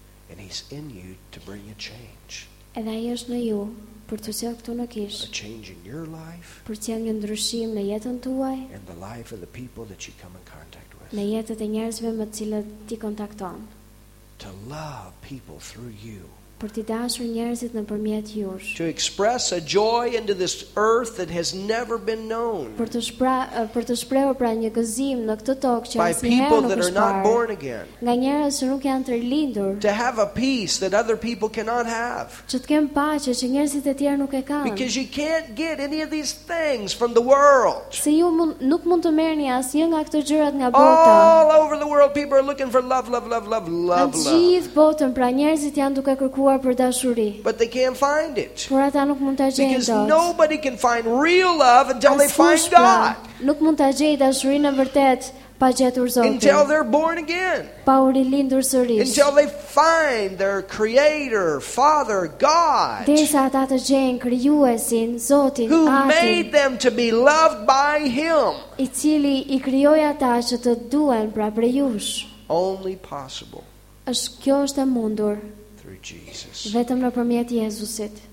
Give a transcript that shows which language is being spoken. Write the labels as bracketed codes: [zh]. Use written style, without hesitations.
[en] And he's in you to bring a change. [sq] Edhe ai është në ju për të sjellë këtu në kishë. [en] A change in your life. [sq] Për të sjellë një ndryshim në jetën tuaj. [en] And the life of the people that you come in contact with. [sq] Në jetën e njerëzve me të cilët ti kontakton. [en] To love people through you. [sq] Për të dashur njerëzit nëpërmjet jush. [en] To express a joy into this earth that has never been known. [sq] Për të shprehur pra një gëzim në këtë tokë që asnjëherë nuk është parë. [en] By people that are not born again. [sq] Nga njerëz që nuk janë të rilindur. [en] To have a peace that other people cannot have. [sq] Që të kem paqe që njerëzit e tjerë nuk e kanë. [en] Because you can't get any of these things from the world. [sq] Se ju nuk mund të merrni asnjë nga këto gjërat nga bota. [en] All over the world people are looking for love, love, love, love, love. [sq] Në gjithë botën pra njerëzit janë duke kërkuar për dashuri. [en] But they can't find it. [sq] Por ata nuk mund ta gjejnë. [en] Because nobody can find real love until they find God. [sq] Nuk mund ta gjej dashurinë e vërtet pa gjetur Zotin. [en] Until they're born again. [sq] Pa u rilindur sërish. [en] Until they find their creator, Father God. [sq] Derisa ata të gjejnë krijuesin, Zotin, [en] Atin. Who made them to be loved by him. [sq] I cili i krijoi ata që të duhen pra për jush. [en] Only possible. [sq] Është kjo është e mundur. [en] Jesus. [sq] Vetëm nëpërmjet Jezusit.